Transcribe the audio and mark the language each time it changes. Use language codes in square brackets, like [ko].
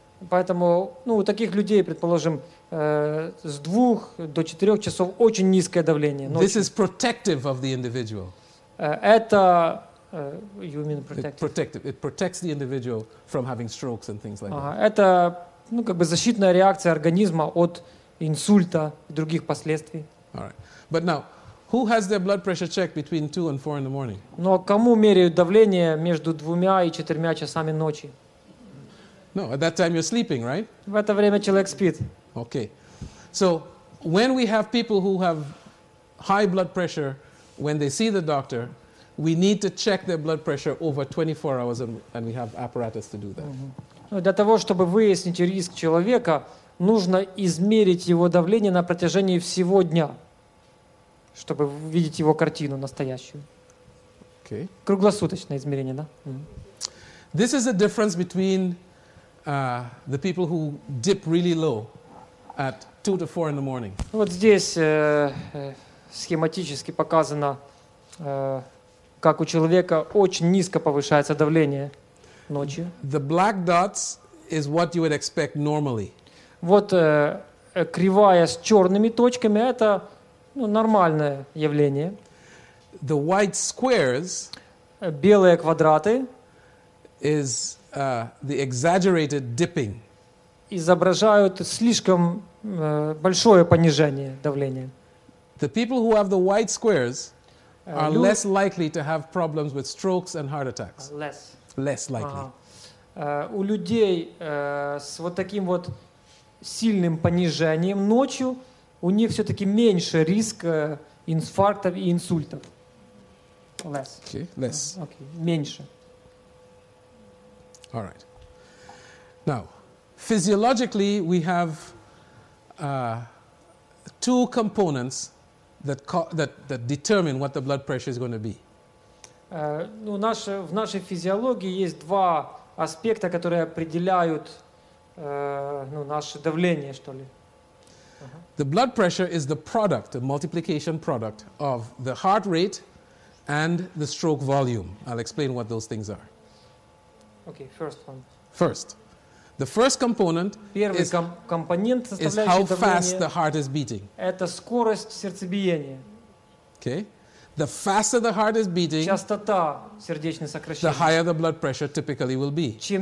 [ru] Поэтому, ну, у таких людей, предположим, с 2 до 4 часов очень низкое давление. Ночью. [en] This is protective of the individual. [ru] Это [en] you mean protective? Protective. It protects the individual from having strokes and things like that. [ru] Это, ну, как бы защитная реакция организма от инсульта и других последствий. [en] All right. But now Who has their blood pressure checked between 2 and 4 in the morning? [ru] Но кому меряют давление между 2 и 4 часами ночи? [en] No, at that time you're sleeping, right? [ru] В это время человек спит. [en] Okay. So, when we have people who have high blood pressure, when they see the doctor, we need to check their blood pressure over 24 hours and we have apparatus to do that. [ru] Ну, для того, чтобы выяснить риск человека, нужно измерить его давление на протяжении всего дня. Чтобы видеть его картину настоящую. [en] Okay. [ru] Круглосуточное измерение, да? Mm-hmm. [en] This is the difference between the people who dip really low at 2 to 4 in the morning. [ru] Вот здесь схематически показано, как у человека очень низко повышается давление ночью. [en] The black dots is what you would expect normally. [ru] Вот кривая с черными точками – это нормальное явление. [en] The white squares, [ru] белые квадраты, [en] is the exaggerated dipping. [ru] Изображают слишком большое понижение давления. [en] The people who have the white squares are less likely to have problems with strokes and heart attacks. Less likely. [ru] У людей с вот таким вот сильным понижением ночью у них все-таки меньше риск инфарктов и инсультов. [en] Less. Okay, less. [ru] Okay, меньше. [en] All right. Now, physiologically, we have two components that determine what the blood pressure is going to be. [ru] В нашей физиологии есть два аспекта, которые определяют наше давление, что ли. [en] The blood pressure is the product, the multiplication product of the heart rate and the stroke volume. I'll explain what those things are. Okay, first one. First. The first component is how fast the heart is beating. [ru] Это скорость сердцебиения. [en] Okay. The faster the heart is beating, [ru] частота сердечных сокращений, [en] the higher the blood pressure typically will be.